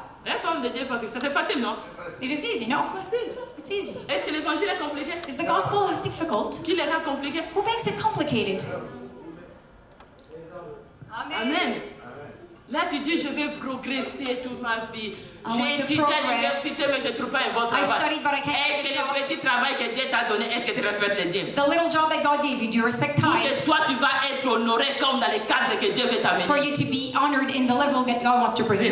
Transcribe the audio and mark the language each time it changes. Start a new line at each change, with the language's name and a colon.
French: Les femmes de Dieu, parce que c'est facile, non?
English: It is easy, no?
French: C'est facile.
English: It's easy.
French: Est-ce que l'évangile est compliqué?
English: Is the gospel difficult?
French: Qui le rend compliqué?
English: Who makes it complicated? Amen. Amen.
French: Là, tu dis, je vais progresser toute ma vie.
English: I studied, but I can't get a job.
French: Est-ce que le petit travail que Dieu t'a donné, est-ce que tu respectes le Dieu?
English: The little job that God gave you, do you respect time?
French: Pour que toi tu vas être honoré comme dans les cadres que Dieu veut t'amener.
English: For you to be honored in the level that God wants to bring you.